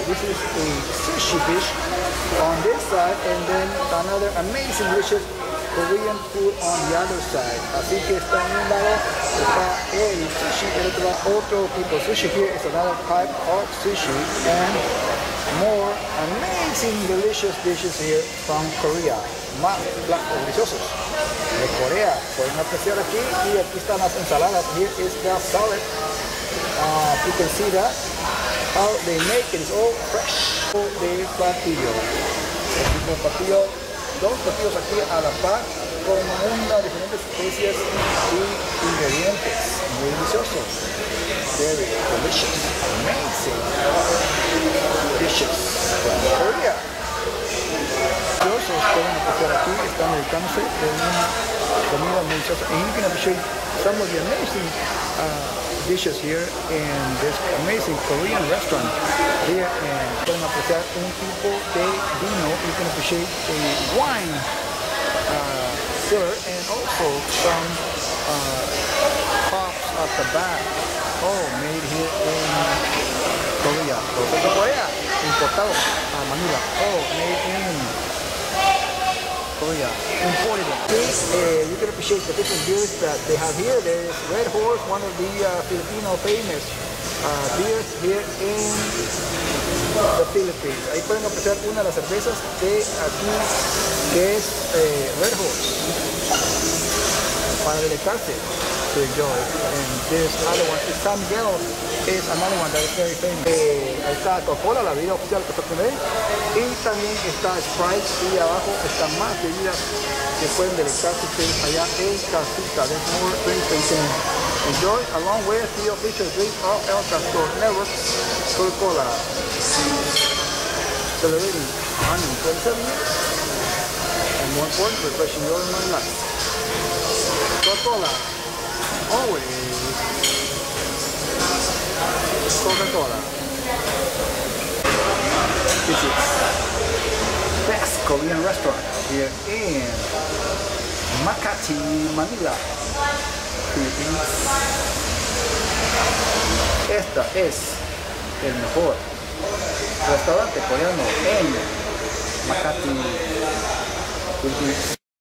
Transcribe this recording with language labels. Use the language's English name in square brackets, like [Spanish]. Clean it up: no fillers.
[English] This is a sushi dish on this side, and then another amazing dishes Korean food on the other side. [Spanish] Así que está en un lado está el sushi, el otro lado otro tipo de sushi. [English] Here is another type of sushi and more amazing delicious dishes here from Korea. [Spanish] Más platos deliciosos de Corea. Pueden apreciar aquí y aquí están las ensaladas. [English] Here is the salad. You can see that how they make it. It's all fresh. [Spanish] De platillo. El tipo de platillo. Dos platillos aquí a la par con una diferente especie y ingredientes. Muy delicioso. [English] Very delicious. Amazing. Dishes. From Korea. [Spanish] Deliciosos. Pueden apreciar aquí. Están dedicándose con una comida muy deliciosa. [English] And you can appreciate some of the amazing dishes here in this amazing Korean restaurant here. And [Spanish] pueden apreciar un tipo de vino. [English] You can appreciate a wine sir, and also some pops at the back, all made here in Korea. Korea [Spanish] importado a [English] Manila, all made in Korea. Imported. You can appreciate the different beers that they have here. There's Red Horse, one of the Filipino famous beers here in the Philippines. [Spanish] Ahí pueden apreciar una de las cervezas de aquí, que es Red Horse. Para deleitarse, [English] to enjoy. And this other one is San Miguel. [Spanish] Es [English] another one that is very famous. [Spanish] Ahí está Coca-Cola, la bebida oficial que está con él. Y también está Sprite. Y abajo están más bebidas que pueden deleitarse ustedes allá en casita. [English] There's more drinks that you can enjoy, along with the official drink of El Castor Network, Coca-Cola. Celebrating 127 years. And more important, refreshing your mind life. Coca-Cola. Always Coca-Cola. This is the best Korean restaurant here in Makati, Manila, Philippines. [Spanish] Esta es el mejor restaurante coreano en Makati, Philippines.